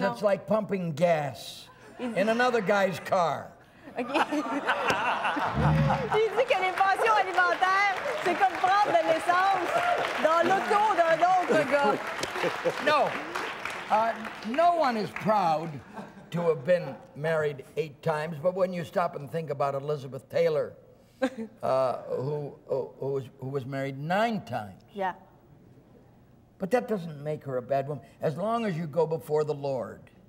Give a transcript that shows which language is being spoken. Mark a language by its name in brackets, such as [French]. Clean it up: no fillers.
[English] No. It's like pumping gas in another guy's car. Okay. [French] Il dit que les pensions alimentaires, c'est comme prendre de l'essence dans l'auto d'un autre gars. [English] No. No one is proud. To have been married 8 times, but when you stop and think about Elizabeth Taylor, who was married 9 times. Yeah. But that doesn't make her a bad woman, as long as you go before the Lord.